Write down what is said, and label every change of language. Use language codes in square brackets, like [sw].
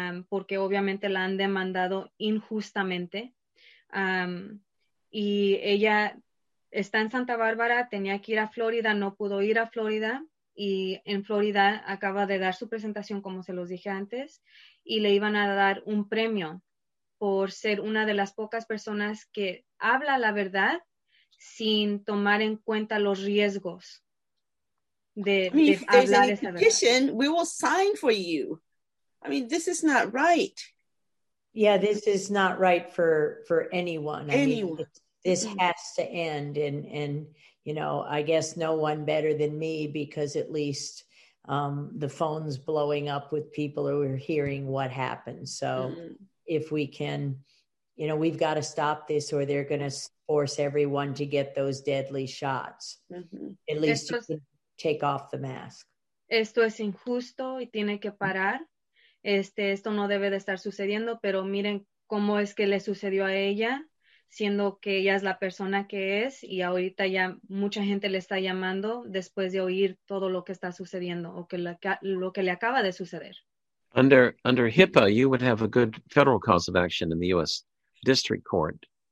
[es] Porque obviamente la han demandado injustamente y ella está en Santa Bárbara, tenía que ir a Florida, no pudo ir a Florida y en Florida acaba de dar su presentación como se los dije antes y le iban a dar un premio por ser una de las pocas personas que habla la verdad sin tomar en cuenta los riesgos de hablar esa verdad. [en] If there's any petition, we will sign for you. I mean, this is not right. Yeah, this is not right for anyone. This has to end. And you know, I guess no one better than me, because at least the phone's blowing up with people who are hearing what happened. So if we can, you know, we've got to stop this or they're going to force everyone to get those deadly shots. Mm-hmm. At least you can take off the mask. [es] Esto es injusto y tiene que parar. Esto no debe de estar sucediendo, pero miren cómo es que le sucedió a ella, siendo que ella es la persona que es, y ahorita ya mucha gente le está llamando después de oír todo lo que está sucediendo o lo que le acaba de suceder. [en] Under HIPAA, you would have a good federal cause of action in the U.S. District Court.